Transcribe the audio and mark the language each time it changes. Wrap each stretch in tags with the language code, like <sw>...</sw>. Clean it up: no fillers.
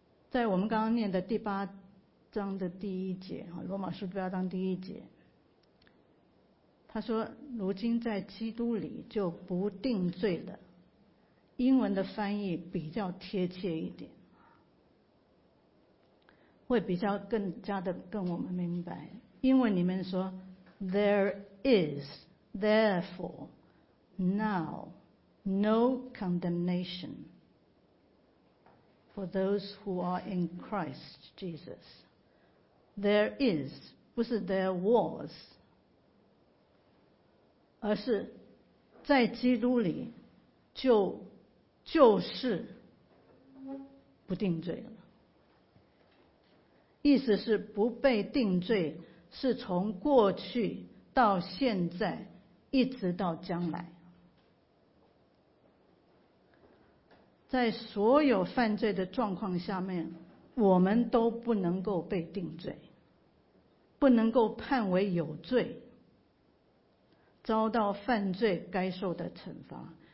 <zh>在我们刚刚念的第八章的第一节，罗马书第八章第一节，他说如今在基督里就不定罪了，英文的翻译比较贴切一点，会比较更加的跟我们明白。英文里面说</zh> <en>There is, therefore, now, no condemnation for those who are in Christ Jesus. There is,</en> <zh>不是</zh> <en>there was,</en> <zh>而是在基督里就是不定罪了。意思是不被定罪是从过去到现在一直到将来，在所有犯罪的状况下面，我们都不能够被定罪，不能够判为有罪，遭到犯罪该受的惩罚。</zh>